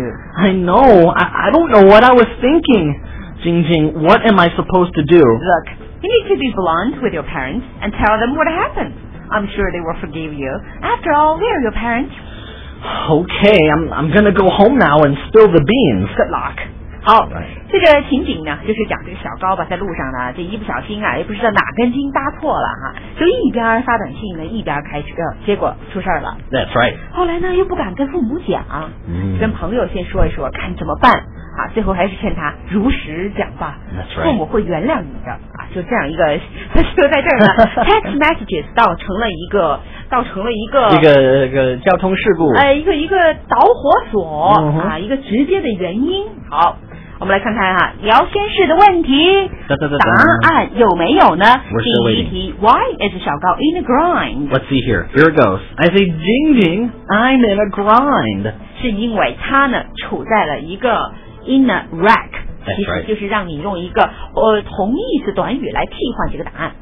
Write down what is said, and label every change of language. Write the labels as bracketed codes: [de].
[en] I know. I don't know what I was thinking. Jing Jing, what am I supposed to do? Look. You need to be blunt with your parents and tell them what happened. I'm sure they will forgive you. After all, they're your parents. Okay, I'm gonna go home now and spill the beans. Good luck. [zh] 好，这个情景呢，就是讲这个小高吧，在路上呢，这一不小心啊，也不知道哪根筋搭错了哈、啊，就一边发短信呢，一边开车，结果出事了。 [en] That's right。 [zh] 后来呢，又不敢跟父母讲，嗯、跟朋友先说一说，看怎么办。啊，最后还是劝他如实讲吧， [en] right. [zh] 父母会原谅你的啊。就这样一个，就在这儿呢， [en] text messages [zh] 倒成了一个，倒成了一个交通事故，一个导火索、 mm-hmm. 啊，一个直接的原因。好，我们来看看哈、啊，聊天室的问题答案有没有呢？第一题 [en] ，Why is 小高 in a grind? Let's see here. Here it goes. I say, Jing Jing, I'm in a grind. [zh] 是因为他呢处在了一个。 [en] In a rack、 That's、 [zh] 其实就是让你用一个、同意思短语来替换这个答案。